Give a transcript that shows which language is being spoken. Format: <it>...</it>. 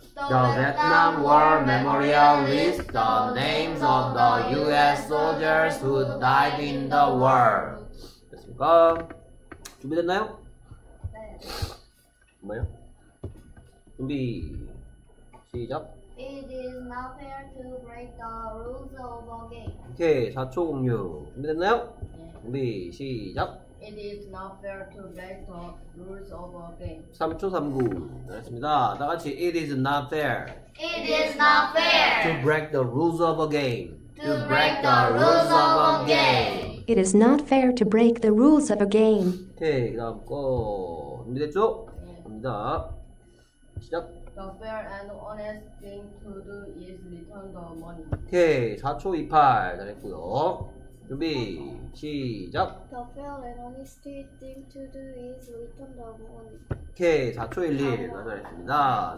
<en>The Vietnam War Memorial List. The names of the U.S. soldiers who died in the war.</en> <ko>됐습니까? 준비됐나요? 네. 뭐요? 준비 시작.</ko> <en>It is not fair to break the rules of a game.</en> <ko>오케이 4초 공유 준비됐나요? 네. 준비 시작.</ko> <en>It is not fair to break the rules of a game.</en> <ko>3초 39 알겠습니다. 다 같이</ko> <en>It is not fair. It is not fair to break the rules of a game. To break the rules of a game. It is not fair to break the rules of a game.</en> <ko>오케이 다음 거 준비됐죠? 네. 갑니다. 시작.</ko> <en>The fair and honest thing to do is return the money.</en> <ko>오케이 4초 28 잘했고요. 준비 시작.</ko> <en>The fair and honest thing to do is return the money.</en> <ko>오케이 4초 11 잘했습니다.</ko>